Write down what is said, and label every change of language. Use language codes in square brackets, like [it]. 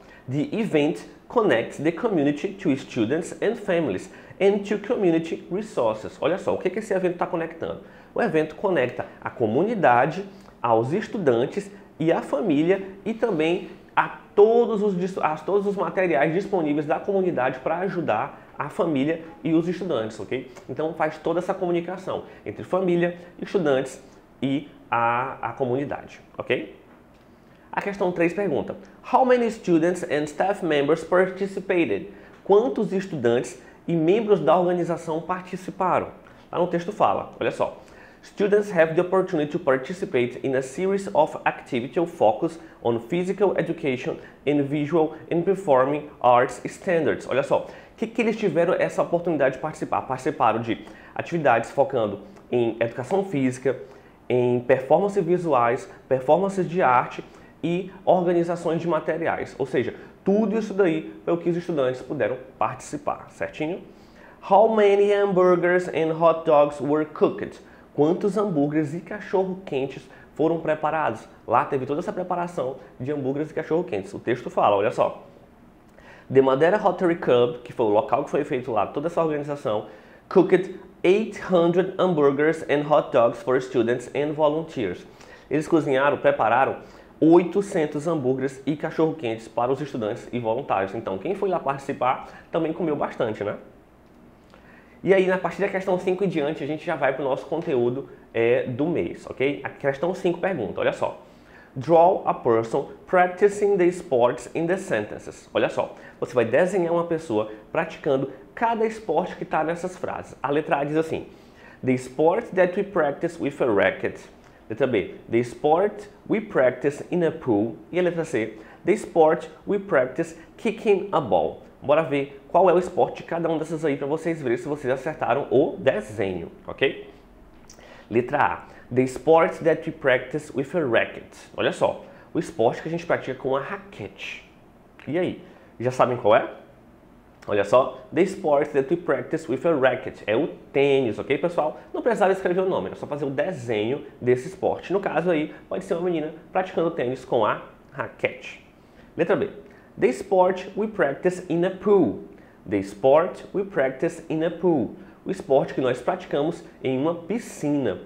[en] The event connects the community to students and families and to community resources. [pt] Olha só, o que esse evento está conectando? O evento conecta a comunidade, aos estudantes e à família e também a todos os materiais disponíveis da comunidade para ajudar a família e os estudantes, ok? Então faz toda essa comunicação entre família, estudantes e a comunidade, ok? A questão 3 pergunta: [en] How many students and staff members participated? [pt] Quantos estudantes e membros da organização participaram. Lá no texto fala, olha só. [en] Students have the opportunity to participate in a series of activities focused on physical education and visual and performing arts standards. [pt] Olha só, que eles tiveram essa oportunidade de participar? Participaram de atividades focando em educação física, em performances visuais, performances de arte e organizações de materiais. Ou seja, tudo isso daí foi o que os estudantes puderam participar, certinho? [en] How many hamburgers and hot dogs were cooked? [pt] Quantos hambúrgueres e cachorro-quentes foram preparados? Lá teve toda essa preparação de hambúrgueres e cachorro-quentes. O texto fala, olha só. The Madeira Rotary Club, que foi o local que foi feito lá, toda essa organização, [en] cooked 800 hamburgers and hot dogs for students and volunteers. [pt] Eles cozinharam, prepararam 800 hambúrgueres e cachorro-quentes para os estudantes e voluntários. Então, quem foi lá participar também comeu bastante, né? E aí, na partir da questão 5 e diante, a gente já vai para o nosso conteúdo do mês, ok? A questão 5 pergunta, olha só. [en] Draw a person practicing the sports in the sentences. [pt] Olha só, você vai desenhar uma pessoa praticando cada esporte que está nessas frases. A letra A diz assim, [en] the sport that we practice with a racket. Letra B, the sport we practice in a pool. [pt] E a letra C, [en] the sport we practice kicking a ball. [pt] Bora ver qual é o esporte de cada um dessas aí para vocês verem se vocês acertaram o desenho, ok? Letra A. [en] The sport that we practice with a racket. [pt] Olha só. O esporte que a gente pratica com a raquete. E aí? Já sabem qual é? Olha só. [en] The sport that we practice with a racket. [pt] É o tênis, ok, pessoal? Não precisava escrever o nome. É só fazer o desenho desse esporte. No caso aí, pode ser uma menina praticando tênis com a raquete. Letra B. [en] The sport we practice in a pool. The sport we practice in a pool. [pt] O esporte que nós praticamos em uma piscina.